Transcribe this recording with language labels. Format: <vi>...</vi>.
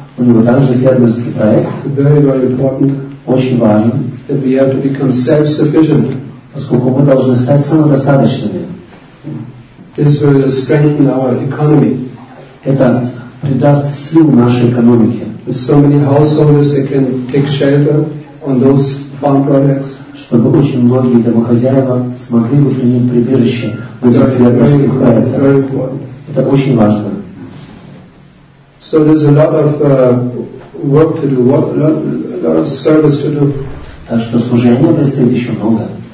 <ru>У него также фермерский проект.</ru> <en>Very, very important.</en> <ru>Очень важно.</ru> <en>That we have to become self-sufficient.</en> <ru>Поскольку мы должны стать самодостаточными.</ru> <en>This will strengthen our economy.</en> <ru>Это придаст сил нашей экономике.</ru> <en>So many householders that can take shelter on those farm projects.</en> <ru>Чтобы очень многие домохозяева смогли бы принять прибежище в этих фермерских проектах. Это очень важно.</ru> <en>So there's a lot of work to do, a lot of service to do.</en> <ru>Так что служение предстоит еще много.</ru>